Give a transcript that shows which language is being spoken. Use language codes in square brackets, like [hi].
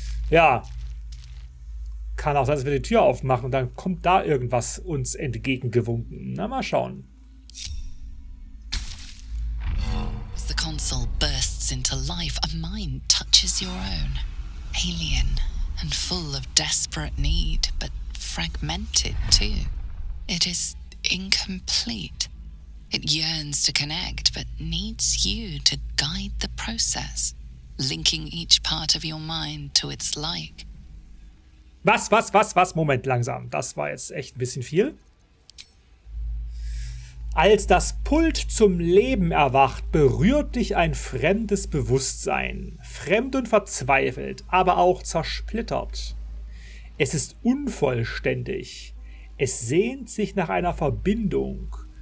[de] Ja. Kann auch sein, dass wir die Tür aufmachen und dann kommt da irgendwas uns entgegengewunken. Na, mal schauen. [en] As the console bursts into life, a mind touches your own. Alien and full of desperate need, but fragmented too. It is incomplete. It yearns to connect, but needs you to guide the process, linking each part of your mind to its like. [de] Was? Moment, langsam. Das war jetzt echt ein bisschen viel. Als das Pult zum Leben erwacht, berührt dich ein fremdes Bewusstsein. Fremd und verzweifelt, aber auch zersplittert. Es ist unvollständig. Es sehnt sich nach einer Verbindung.